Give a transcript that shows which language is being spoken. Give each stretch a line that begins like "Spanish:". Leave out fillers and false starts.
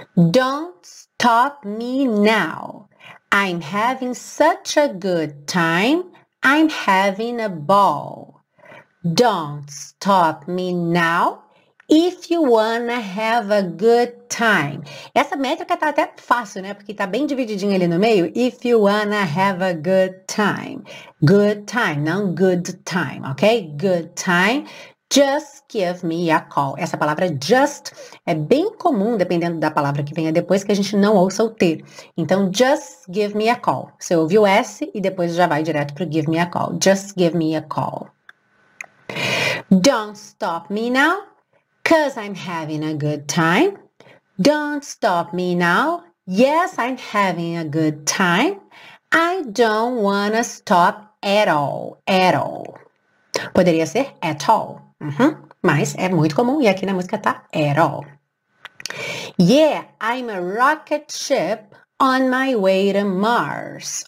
English: Don't stop me now. I'm having such a good time. I'm having a ball. Don't stop me now. If you wanna have a good time.
Portuguese: Essa métrica tá até fácil, né? Porque tá bem divididinha ali no meio.
English: If you wanna have a good time. Good time, não good time, ok? Good time. Just give me a call.
Portuguese: Essa palavra just é bem comum, dependendo da palavra que venha depois, que a gente não ouça o T. Então,
English: just give me a call.
Portuguese: Você ouve o S e depois já vai direto pro give me a call.
English: Just give me a call. Don't stop me now. Because I'm having a good time. Don't stop me now. Yes, I'm having a good time. I don't wanna stop at all. At all.
Portuguese: Poderia ser at all. Uhum. Mas é muito comum e aqui na música tá at all.
English: Yeah, I'm a rocket ship on my way to Mars.